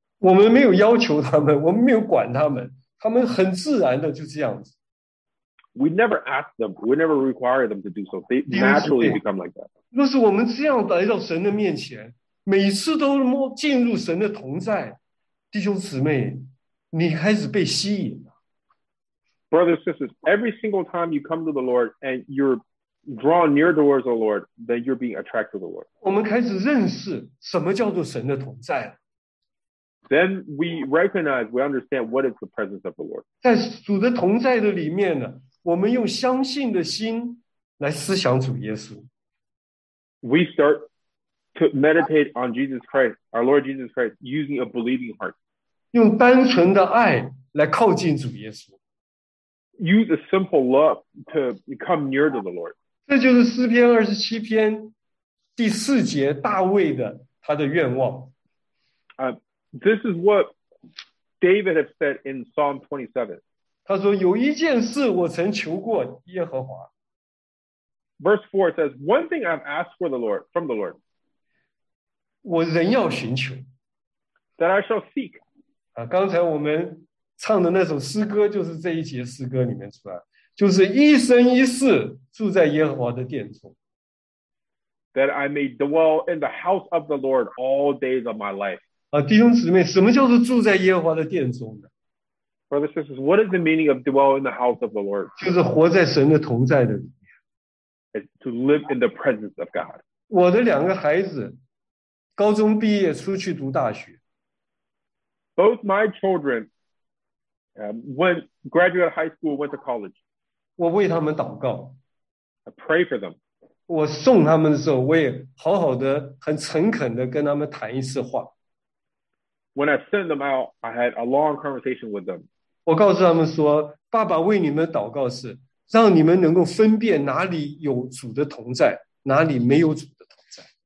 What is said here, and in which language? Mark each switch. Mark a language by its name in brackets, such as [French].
[Chinese] 我们没有要求他们，我们没有管他们，他们很自然的就这样子。 [English] We never ask them, we never require them to do so. They naturally become like that. [Chinese] 若是我们这样来到神的面前，每次都进入神的同在，弟兄姊妹，你开始被吸引了。 [English] Brothers and sisters, every single time you come to the Lord and you're drawn near towards the Lord, then you're being attracted to the Lord. [Chinese] 我们开始认识什么叫做神的同在了。 [English] Then we recognize, we understand what is the presence of the Lord. [Chinese] 在主的同在的里面呢，我们用相信的心来思想主耶稣。 [English] We start to meditate on Jesus Christ, our Lord Jesus Christ, using a believing heart. [Chinese] 用单纯的爱来靠近主耶稣。 [English] Use a simple love to come near to the Lord. [Chinese] 这就是诗篇二十七篇第四节大卫的他的愿望。 [English] This is what David has said in Psalm 27. [Chinese] 他说有一件事我曾求过耶和华。 [English] Verse 4 says, One thing I've asked for the Lord, from the Lord. [Chinese] 我仍要寻求。 [English] That I shall seek. [Chinese] 刚才我们唱的那首诗歌就是这一节诗歌里面出来，就是一生一世住在耶和华的殿中。 [English] That I may dwell in the house of the Lord all days of my life. [Chinese] 啊，弟兄姊妹，什么叫做住在耶和华的殿中呢？ [English] Brothers and sisters, what is the meaning of dwell in the house of the Lord? [Chinese] 就是活在神的同在的里面。 [English] It's to live in the presence of God. [Chinese] 我的两个孩子高中毕业出去读大学。 [English] Both my children went graduated high school, went to college. [Chinese] 我为他们祷告。 [English] I pray for them. [Chinese] 我送他们的时候，我也好好的、很诚恳的跟他们谈一次话。 [English] When I sent them out, I had a long conversation with them. [Chinese] 我告诉他们说，爸爸为你们祷告是让你们能够分辨哪里有主的同在，哪里没有主的同在。